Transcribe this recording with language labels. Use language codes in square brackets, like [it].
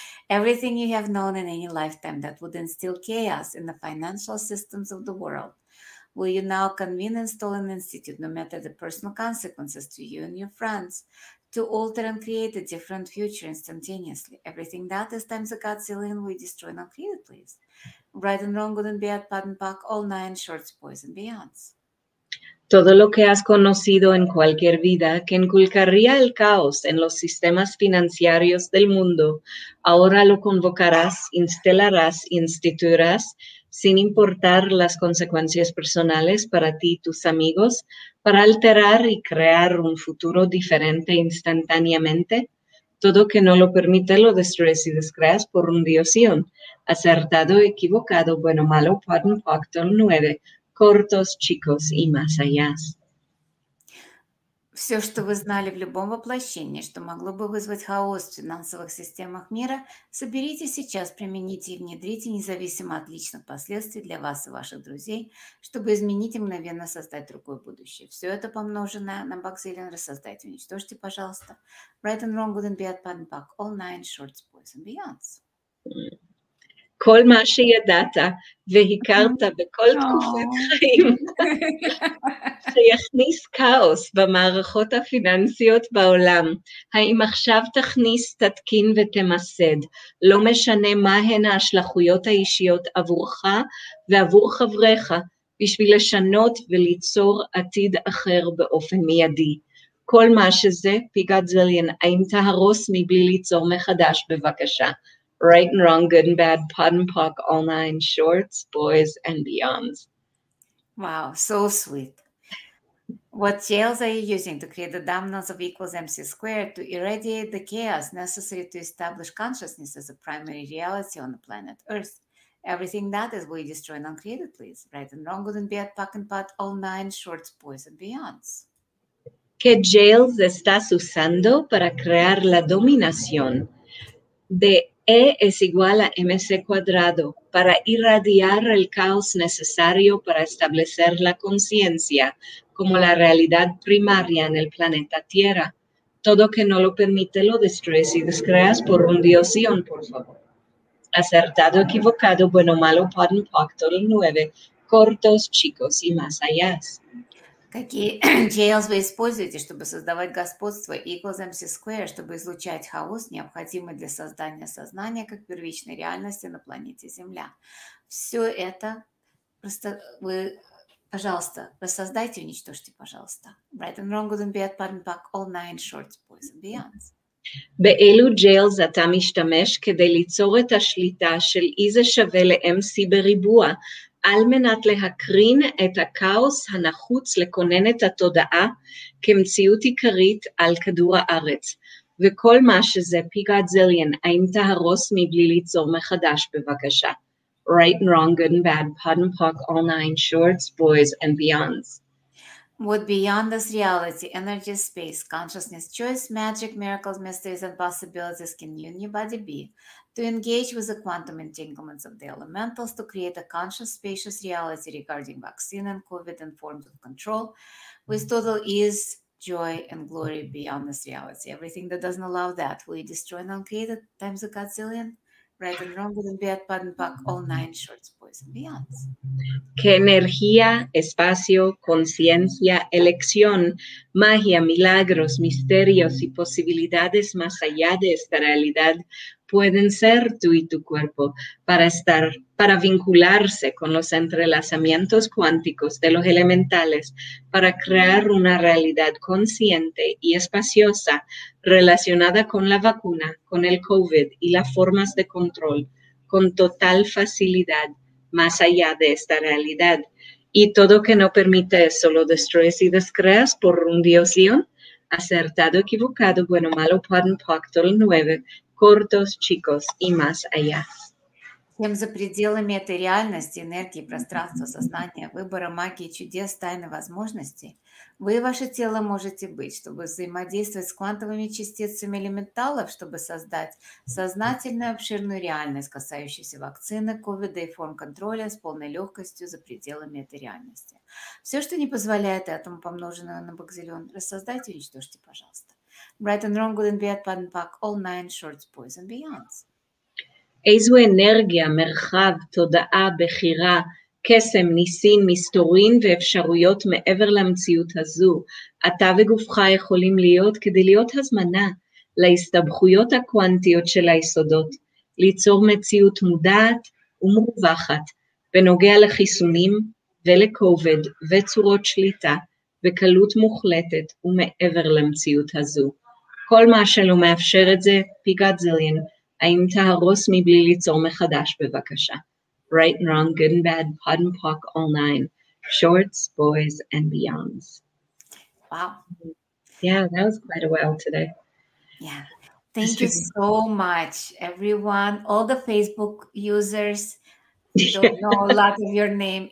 [en] Everything you have known in any lifetime that would instill chaos in the financial systems of the world, will you now convene and install an institute, no matter the personal consequences to you and your friends, to alter and create a different future instantaneously? Everything that is times a godzillion we destroy and create, please. Right and wrong, good and bad, pot and pock, all nine shorts, boys and beyonds. [es] Todo lo que has conocido en cualquier vida que inculcaría el caos en los sistemas financieros del mundo, ahora lo convocarás, instalarás, instituirás, sin importar las consecuencias personales para ti y tus amigos, para alterar y crear un futuro diferente instantáneamente. Todo que no lo permite lo destruyes y descreas por rundición. Acertado, equivocado, bueno, malo, pardon, factor 9. Cortos, chicos, y más allá. [ru] Все, что вы знали в любом воплощении, что могло бы вызвать хаос в финансовых системах мира, соберите сейчас, примените и внедрите, независимо от личных последствий для вас и ваших друзей, чтобы изменить и мгновенно создать другое будущее. Все это помноженное на бакзиллион рассоздайте, уничтожьте, пожалуйста. [en] Right and wrong, good and bad, pad and pack, all nine shorts, boys and beyonds. [he] כל מה שידעת והכרת בכל תקופת חיים שיכניס כאוס במערכות הפיננסיות בעולם. האם עכשיו תכניס, תתקין ותמסד, לא משנה מהן ההשלכויות האישיות עבורך ועבור חבריך בשביל לשנות וליצור עתיד אחר באופן מיידי. כל מה שזה, פיגד זליין, האם תהרוס מבלי ליצור מחדש בבקשה? [en] Right and wrong, good and bad, pod and pock, all nine shorts, boys and beyonds. Wow, so sweet. What jails are you using to create the dominance of equals MC squared to irradiate the chaos necessary to establish consciousness as a primary reality on the planet Earth? Everything that is, will you destroy and uncreate it, please? Right and wrong, good and bad, pock and pot, all nine shorts, boys and beyonds. [es] ¿Qué jails estás usando para crear la dominación de E es igual a MC cuadrado para irradiar el caos necesario para establecer la conciencia como la realidad primaria en el planeta Tierra? Todo que no lo permite lo destruyes y descreas por rundición, por favor. Acertado, equivocado, bueno, malo, [en] pot and pock, [es] todo 9, cortos, chicos y más allá. [ru] Какие jails вы используете, чтобы создавать господство [en] equals MC square, [ru] чтобы излучать хаос, необходимый для создания сознания как первичной реальности на планете Земля? Все это просто вы, пожалуйста, рассоздайте, уничтожьте, пожалуйста. [en] Right and wrong, good and bad, pardon, back, all nine shorts, boys and beyonds. [he] באילו ג'יילס אתה משתמש כדי ליצור את השליטה של איזה שווה ל-MC בריבוע על מנת להקרין את הכאוס הנחוץ לכונן את התודעה כמציאות עיקרית על כדור הארץ. וכל מה שזה, פי גאד זיליאן, האם תהרוס מבלי ליצור מחדש, בבקשה. [en] Right and wrong, good and bad, pot and pock, all nine, shorts, boys and beyonds. What beyond this reality, energy, space, consciousness, choice, magic, miracles, mysteries, and possibilities can you and your body be to engage with the quantum entanglements of the elementals to create a conscious, spacious reality regarding vaccine and COVID and forms of control with total ease, joy, and glory beyond this reality. Everything that doesn't allow that, will you destroy and uncreate it times a godzillion? Right and wrong, good and bad, pot and pock, all nine, shorts, boys and beyonds. [es] Que energía, espacio, conciencia, elección, magia, milagros, misterios y posibilidades más allá de esta realidad pueden ser tú y tu cuerpo para vincularse con los entrelazamientos cuánticos de los elementales para crear una realidad consciente y espaciosa relacionada con la vacuna, con el COVID y las formas de control con total facilidad más allá de esta realidad. Y todo que no permite eso lo destruyes y descreas por un diosión, acertado, equivocado, bueno, malo, pardon, pacto, el nueve, cortos, chicos y más allá. [ru] Тем за пределами этой реальности, энергии, пространства, сознания, выбора, магии, чудес, тайны, возможностей, вы и ваше тело можете быть, чтобы взаимодействовать с квантовыми частицами элементалов, чтобы создать сознательную обширную реальность, касающуюся вакцины, ковида и форм контроля с полной легкостью за пределами этой реальности. Все, что не позволяет этому, помноженное на бакзиллион, рассоздайте и уничтожьте, пожалуйста. [en] Right and wrong, good and bad, bad and back, all nine shorts, boys and beyonds. [he] איזו אנרגיה, מרחב, תודעה, בחירה, קסם, ניסים, מסתורים ואפשרויות מעבר למציאות הזו. אתה וגופך יכולים להיות כדי להיות הזמנה להסתבכויות הקוונטיות של היסודות, ליצור מציאות מודעת ומרווחת בנוגע לחיסונים ולכובד וצורות שליטה בקלות מוחלטת ומעבר למציאות הזו. כל מה שלא מאפשר את זה, פיגת זליין, האם תהרוס מבלי ליצור מחדש, בבקשה. [en] Right and wrong, good and bad, pot and pock, all nine. Shorts, boys and beyonds. Wow. Yeah, that was quite a while today. Yeah. Thank you so much, everyone. All the Facebook users don't know a lot of your name.